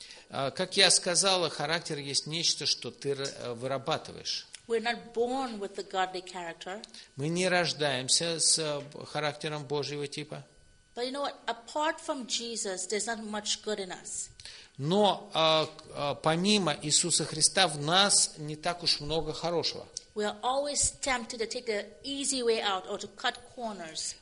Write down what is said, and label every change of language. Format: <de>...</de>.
<ru>Как я сказала, характер есть нечто, что ты вырабатываешь.</ru> <en>We're not born with the godly character.</en> <ru>Мы не рождаемся с характером Божьего типа.</ru> <en>But you know what? Apart from Jesus, there's not much good in us.</en> <ru>Но помимо Иисуса Христа в нас не так уж много хорошего.</ru> <en>We are always tempted to take the easy way out or to cut corners.</en>